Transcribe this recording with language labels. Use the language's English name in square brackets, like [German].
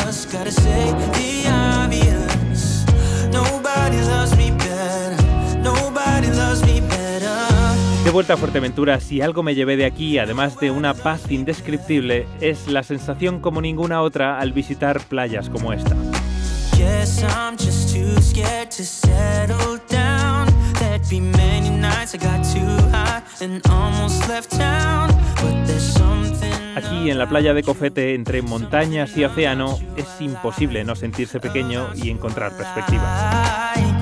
[English] Gotta say the obvious. Nobody loves me better. Nobody loves me better. [Spanish] De vuelta a Fuerteventura, si algo me llevé de aquí, además de una paz indescriptible, es la sensación como ninguna otra al visitar playas como esta. [English] Guess I'm just too scared to settle down. There'd be many nights I got too high and almost left town. But there's something. [Spanish] Aquí, en la playa de Cofete, entre montañas y océano, es imposible no sentirse pequeño y encontrar perspectiva.